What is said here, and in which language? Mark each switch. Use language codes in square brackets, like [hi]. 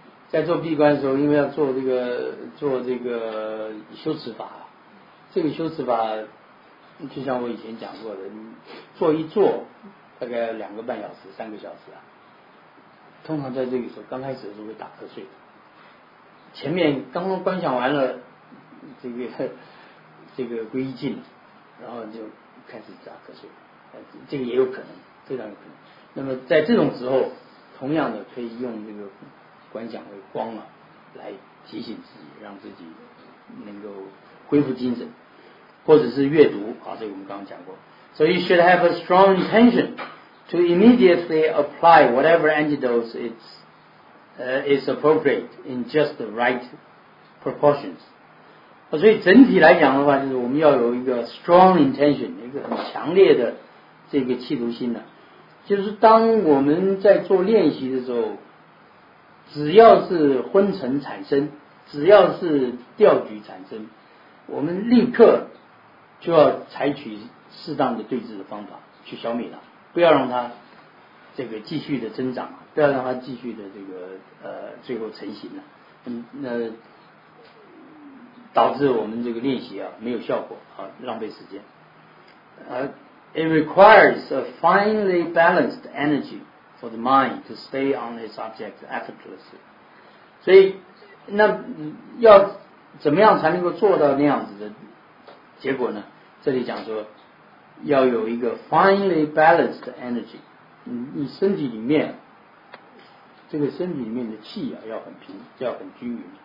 [zh] 在做闭关的时候，因为要做这个修持法，这个修持法就像我以前讲过的，做一坐大概两个半小时三个小时啊，通常在这个时候刚开始的时候会打瞌睡，前面刚刚观想完了这个归一境，然后就开始打瞌睡，这个也有可能，非常有可能。那么在这种时候同样的可以用这个观想为光啊，来提醒自己，让自己能够恢复精神，或者是阅读啊，这个我们刚刚讲过。 [en] So you should have a strong intention to immediately apply whatever antidotes is appropriate in just the right proportions. [zh] 所以整体来讲的话，就是我们要有一个 [en] strong intention， [zh] 一个很强烈的这个企图心呢，就是当我们在做练习的时候。只要是昏沉产生，只要是调举产生，我们立刻就要采取适当的对治的方法去消灭它，不要让它这个继续的增长，不要让它继续的这个最后成型了，那导致我们这个练习啊没有效果啊，浪费时间。 [en] It requires a finely balanced energy. For the mind to stay on its object effortlessly. [zh] 所以那要怎么样才能够做到那样子的结果呢？这里讲说要有一个 [en] finely balanced energy， [zh] 你身体里面这个身体里面的气啊要很平，要很均匀。